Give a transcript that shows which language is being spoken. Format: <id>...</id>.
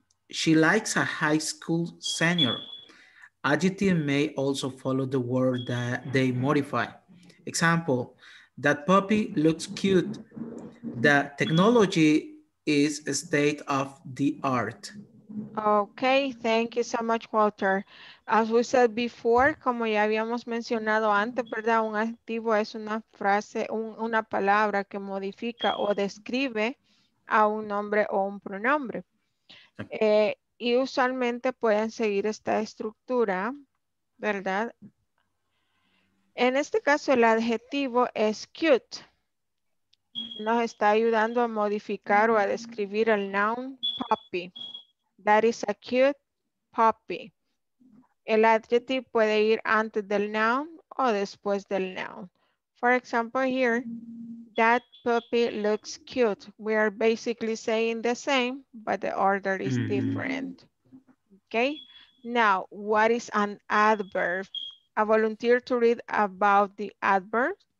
<en>She likes a high school senior. Adjective may also follow the word that they modify. Example, that puppy looks cute. The technology is a state of the art. Okay, thank you so much, Walter. As we said before,</en> <es>como ya habíamos mencionado antes, ¿verdad? Un adjetivo es una frase, una palabra que modifica o describe a un nombre o un pronombre. Y usualmente pueden seguir esta estructura, ¿verdad? En este caso, el adjetivo es cute. Nos está ayudando a modificar o a describir el noun puppy.</es> <en>That is a cute puppy.</en> <es>El adjetivo puede ir antes del noun o después del noun.</es> <en>For example, here, that puppy looks cute. We are basically saying the same, but the order is different. Okay. Now, what is an adverb? I volunteer to read about the adverb.</en>